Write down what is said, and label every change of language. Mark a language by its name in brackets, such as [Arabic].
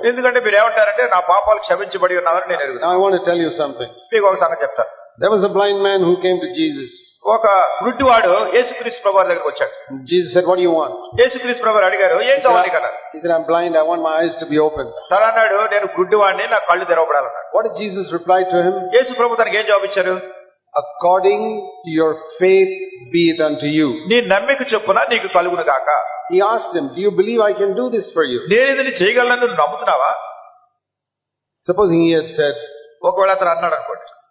[Telugu] ఎందుకంటే మీరు ఏమంటారంటే, నా పాపాలు క్షమించబడి ఉన్నారని నేను అడుగుతాను. [English] I want to tell you something. [Telugu] మీకు ఒక సంగతి చెప్తాను. [English] There was a blind man who came to Jesus. [Telugu] ఒక గుడ్డి వాడు యేసుక్రీస్తు ప్రభువారి దగ్గరికి వచ్చాడు. [English] Jesus said, what do you want? [Telugu] యేసుక్రీస్తు ప్రభువారు అడిగారు, ఏం కావాలి కదా? [English] He said, I'm blind, I want my eyes to be opened. [Telugu] తరన్నాడు, నేను గుడ్డి వాడిని, నా కళ్ళు తెరవబడాలన్నాడు. [English] What did Jesus reply to him? [Telugu] యేసు ప్రభువు దానికి ఏం జవాబిచ్చారు? [English] According to your faith be it unto you. [Telugu] నీ నమ్మిక చొప్పున నీకు కలుగును గాక. [English] He asked him, do you believe I can do this for you? [Telugu] నేను దీన్ని చేయగలనని నమ్ముతున్నావా? [English] Supposing he had said, [Telugu] ఒకవేళ అతను అన్నాడు అనుకోండి,